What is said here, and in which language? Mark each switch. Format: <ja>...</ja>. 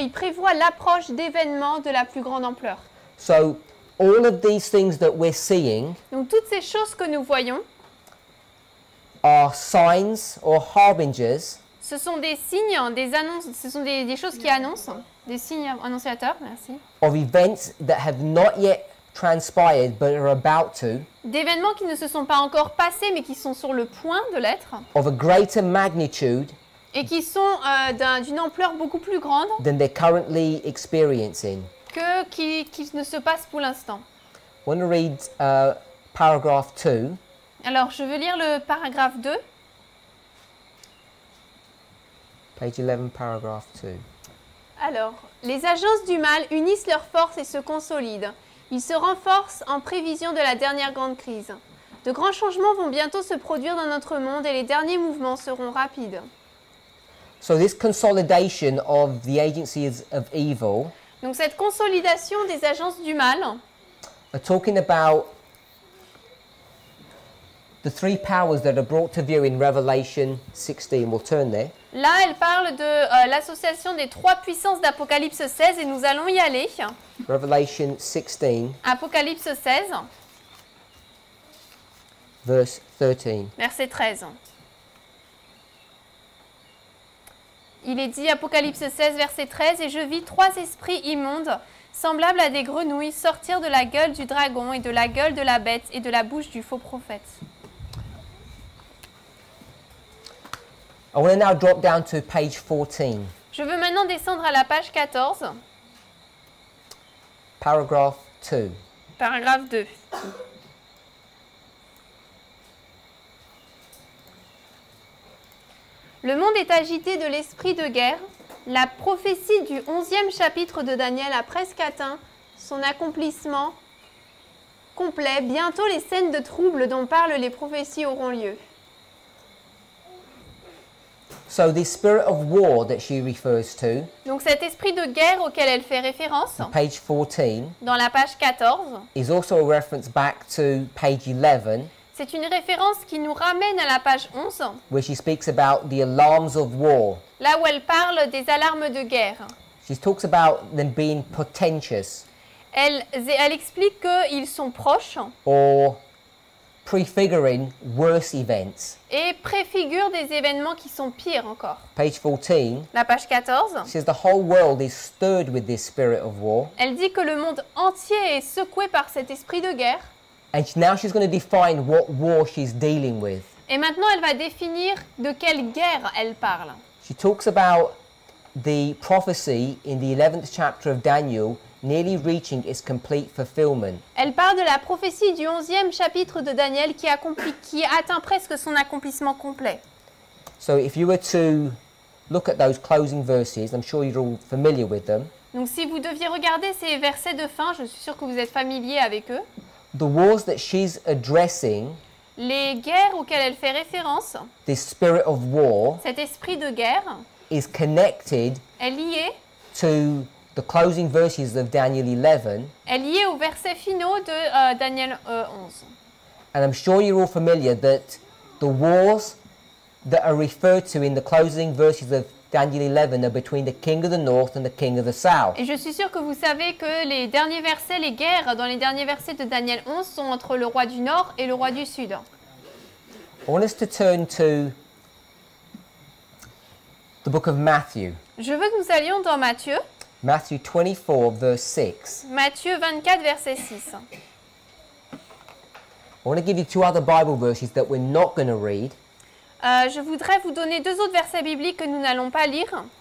<fr>Ils prévoient l'approche d'événements de la plus grande ampleur.</fr> <en>So, all of these things that we're seeing.</en> <fr>Donc toutes ces choses que nous voyons.</fr> <en>Are signs or harbingers.</en> <fr>Ce sont des signes, des annonces. Ce sont des choses qui annoncent, des signes annonciateurs. Merci.</fr> <en>Of events that have not yet transpired but are about to.</en> <fr>D'événements qui ne se sont pas encore passés mais qui sont sur le point de l'être.</fr> <en>Of a greater magnitude.</en> <fr>Et qui sont d'une ampleur beaucoup plus grande.</fr> <en>Than they're currently experiencing.</en> <fr>Que qui ne se passe pour l'instant.</fr> <en>I want to read paragraph 2.</en> <fr>Alors, je veux lire le paragraphe 2.</fr> <en>Page 11, paragraph 2.</en> <fr>Alors, les agences du mal unissent leurs forces et se consolident. Ils se renforcent en prévision de la dernière grande crise. De grands changements vont bientôt se produire dans notre monde et les derniers mouvements seront rapides.</fr> <en>So this consolidation of the agencies of evil.</en> <fr>Donc cette consolidation des agences du mal.</fr> <en>Are talking about the three powers that are brought to view in Revelation 16. We'll turn there.</en> <fr>Là, elle parle de l'association des trois puissances d'Apocalypse 16 et nous allons y aller.</fr> <en>Revelation 16.</en> <fr>Apocalypse 16.</fr> <en>Verse 13.</en> <fr>Verset 13. Il est dit, Apocalypse 16, verset 13, « Et je vis trois esprits immondes, semblables à des grenouilles, sortir de la gueule du dragon et de la gueule de la bête et de la bouche du faux prophète. »</fr> <en>I want to now drop down to page 14.</en> <fr>Je veux maintenant descendre à la page 14.</fr> <en>Paragraph 2. Paragraph 2.</en> <fr>Le monde est agité de l'esprit de guerre. La prophétie du 11e chapitre de Daniel a presque atteint son accomplissement complet. Bientôt, les scènes de troubles dont parlent les prophéties auront lieu.</fr> <en>So the spirit of war that she refers to.</en> <fr>Donc cet esprit de guerre auquel elle fait référence.</fr> <en>Page 14.</en> <fr>Dans la page 14.</fr> <en>Is also a reference back to page 11.</en> <fr>C'est une référence qui nous ramène à la page 11.</fr> <en>Where she speaks about the alarms of war.</en> <fr>Là où elle parle des alarmes de guerre.</fr> <en>She talks about them being portentous.</en> <fr>Elle explique qu'ils sont proches.</fr> <en>Or prefiguring worse events.</en> <fr>Et préfigure des événements qui sont pires encore.</fr> <en>Page 14.</en> <fr>La page 14.</fr> <en>Says the whole world is stirred with this spirit of war.</en> <fr>Elle dit que le monde entier est secoué par cet esprit de guerre.</fr> <en>And now she's going to define what war she's dealing with.</en> <fr>Et maintenant elle va définir de quelle guerre elle parle.</fr> <en>She talks about the prophecy in the 11th chapter of Daniel. Nearly reaching its complete fulfillment.</en> <fr>Elle parle de la prophétie du 11e chapitre de Daniel qui atteint presque son accomplissement complet.</fr> <en>So if you were to look at those closing verses, I'm sure you're all familiar with them.</en> <fr>Donc si vous deviez regarder ces versets de fin, je suis sûr que vous êtes familier avec eux.</fr> <en>The wars that she's addressing.</en> <fr>Les guerres auxquelles elle fait référence.</fr> <en>This spirit of war.</en> <fr>Cet esprit de guerre.</fr> <en>Is connected.</en> <fr>Est lié.</fr> <en>To the closing verses of Daniel 11.</en> <fr>Elle est liée aux versets finaux de Daniel 11.</fr> <en>And I'm sure you're all familiar that the wars that are referred to in the closing verses of Daniel 11 are between the king of the north and the king of the south.</en> <fr>Et je suis sûre que vous savez que les derniers versets, les guerres dans les derniers versets de Daniel 11 sont entre le roi du nord et le roi du sud.</fr> <en>I want us to turn to the book of Matthew.</en> <fr>Je veux que nous allions dans Matthieu.</fr> <en>Matthew 24, verse 6.</en> <fr>Matthieu 24, verset 6.</fr> <en>I want to give you two other Bible verses that we're not going to read.</en> <fr>Je voudrais vous donner deux autres versets bibliques que nous n'allons pas lire.</fr>